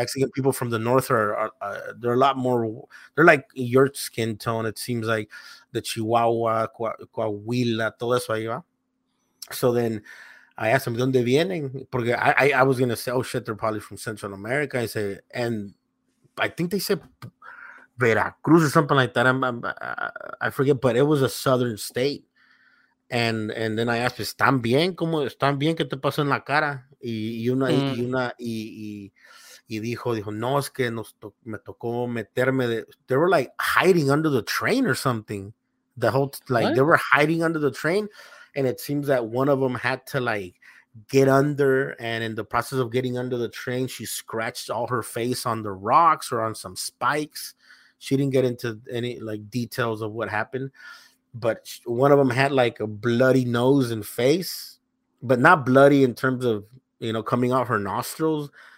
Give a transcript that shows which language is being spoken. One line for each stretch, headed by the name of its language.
English: Mexican people from the north are they're a lot more, they're like your skin tone, it seems like, the Chihuahua, Coahuila,
Spanish: todo eso ahí va.
English: So then I asked him,
Spanish: ¿dónde vienen? Porque
English: I was going to say, oh, shit, they're probably from Central America. I said, and I think they said Veracruz or something like that. I forget, but it was a southern state. And then I asked,
Spanish: ¿están bien? ¿Cómo están bien? ¿Qué te pasó en la cara? Y dijo, no, es que me tocó meterme.
English: They were like hiding under the train or something. The whole, like, what? They were hiding under the train. And it seems that one of them had to like get under, and in the process of getting under the train, she scratched all her face on the rocks or on some spikes. She didn't get into any like details of what happened, but one of them had like a bloody nose and face, but not bloody in terms of, you know, coming out her nostrils.